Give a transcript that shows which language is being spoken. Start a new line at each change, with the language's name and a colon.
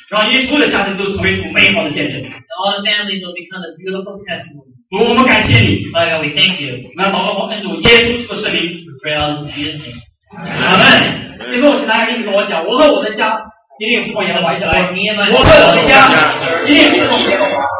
Chinese: 让耶稣的家庭都成为一幅美好的见证。
English: And all the families will become a beautiful testimony.
Chinese: 主，我们感谢你。
English: Father, we thank you.
Chinese: 我们祷告奉主耶稣的圣名。
English: We pray in Jesus' name. Amen.
Chinese: 最后，请大家一起跟我讲，我和我的家一定是奉耶稣的名起来。
English: Me and my
Chinese: 我和我的家一定是奉耶稣的名。